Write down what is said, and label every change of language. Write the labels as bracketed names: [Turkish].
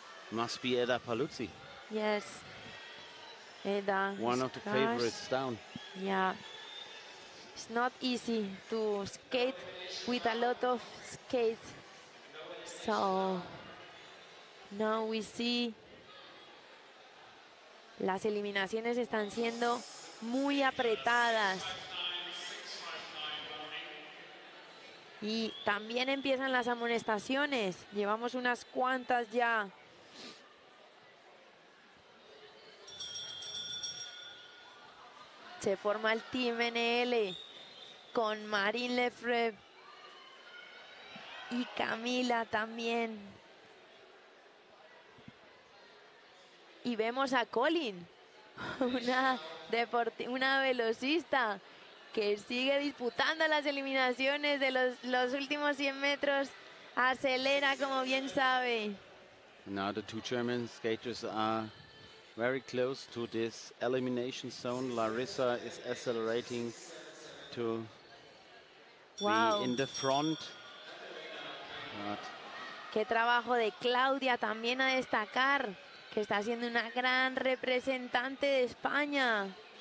[English] Must be Eda Paluzzi. Yes. Eda. One of the favorites down. Yeah. It's not easy to skate with a lot of skates. So now we see [Spanish] las eliminaciones están siendo muy apretadas. Y también empiezan las amonestaciones. Llevamos unas cuantas ya. Se forma el Team NL con Marine Lefebvre y Camila también. Y vemos a Colin, una velocista que sigue disputando las eliminaciones de los últimos 100 metros. Acelera, como bien sabe. [English] Now the two German skaters are very close to this elimination zone. Larissa is accelerating to be in the front. But [Spanish] qué trabajo de Claudia también a destacar, que está siendo una gran representante de España.